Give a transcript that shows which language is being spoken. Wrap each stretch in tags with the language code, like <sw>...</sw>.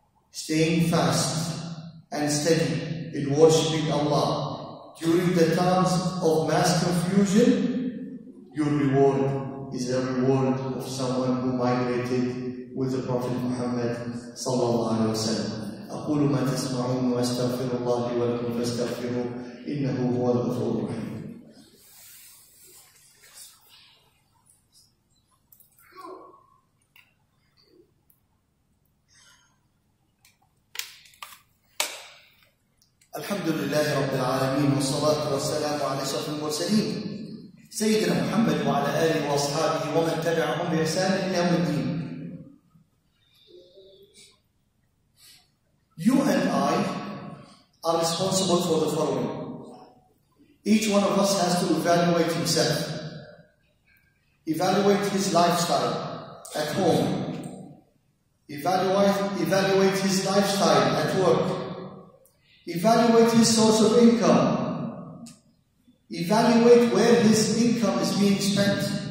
<en>Staying fast and steady in worshipping Allah during the times of mass confusion, your reward is a reward of someone who migrated with the Prophet Muhammad</en> <ar>صلى الله عليه وسلم. أقول ما تسمعون وأستغفر الله لي ولكم فاستغفروه إنه هو الغفور الرحيم. الحمد لله رب العالمين والصلاة والسلام على أشرف المرسلين سيدنا محمد وعلى آله وأصحابه ومن تبعهم بإحسان إلى يوم الدين.</ar> <en>You and I are responsible for the following. Each one of us has to evaluate himself, evaluate his lifestyle at home, evaluate his lifestyle at work, evaluate his source of income, evaluate where his income is being spent,</en>